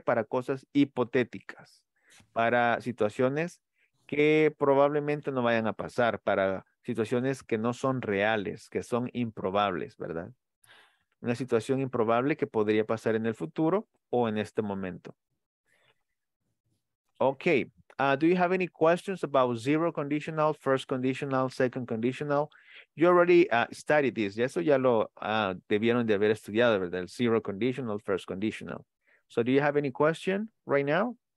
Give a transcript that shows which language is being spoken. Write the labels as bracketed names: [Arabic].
[Spanish] Para cosas hipotéticas. Para situaciones que probablemente no vayan a pasar. Para situaciones que no son reales, que son improbables, ¿verdad? Una situación improbable que podría pasar en el futuro o en este momento. [English] Okay. Do you have any questions about zero conditional, first conditional, second conditional? You already studied this. [Spanish] Eso ya lo debieron de haber estudiado, ¿verdad? [English] Zero conditional, first conditional. So do you have any question right now?